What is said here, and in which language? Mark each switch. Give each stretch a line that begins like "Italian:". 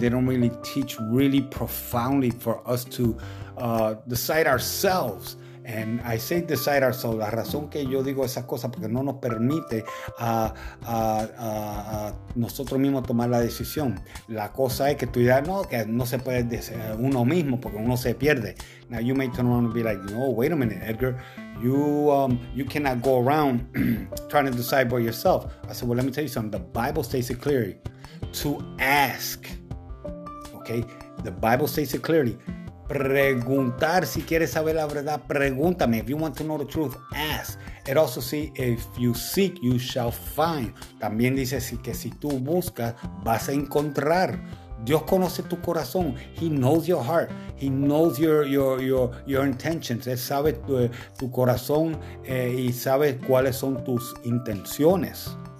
English: They don't really teach really profoundly for us to decide ourselves. And I say decide ourselves.
Spanish: La razón que yo digo esas cosas porque no nos permite a nosotros mismos tomar la decisión. La cosa es que tú ya no, que no se puede decir uno mismo porque uno se pierde.
English: Now you may turn around and be like, no, wait a minute, Edgar. You cannot go around trying to decide for yourself. I said, well, let me tell you something. The Bible states it clearly. To ask. Okay? The Bible states it clearly.
Spanish: Preguntar, si quieres saber la verdad, pregúntame.
English: If you want to know the truth, ask. It also says, if you seek, you shall find.
Spanish: También dice que si tú buscas, vas a encontrar. Dios conoce tu corazón.
English: He knows your heart. He knows your intentions.
Spanish: Él sabe tu corazón y sabe cuáles son tus intenciones.